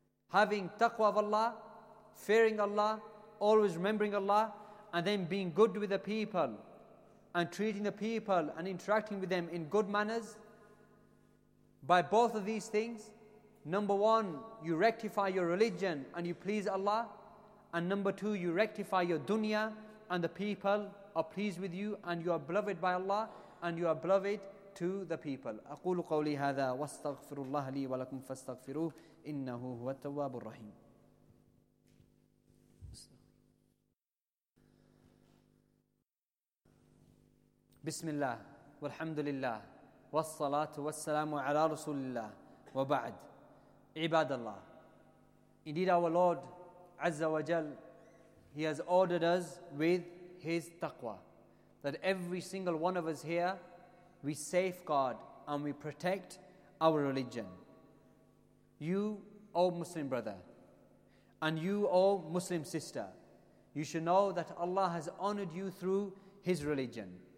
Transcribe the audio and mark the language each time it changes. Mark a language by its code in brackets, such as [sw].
[en] Having taqwa of Allah, fearing Allah, always remembering Allah, and then being good with the people, and treating the people and interacting with them in good manners. By both of these things, number one, you rectify your religion and you please Allah. And number two, you rectify your dunya and the people are pleased with you and you are beloved by Allah and you are beloved to the people. [ar] أقول قولي هذا واستغفر الله لي ولكم فاستغفروه إنه هو التواب الرحيم. بسم الله والحمد لله والصلاة والسلام على رسول الله وبعد عباد الله. [en] Indeed, our Lord Azza wa Jal, He has ordered us with His taqwa, that every single one of us here, we safeguard and we protect our religion. You, O Muslim brother, and you, O Muslim sister, you should know that Allah has honored you through His religion.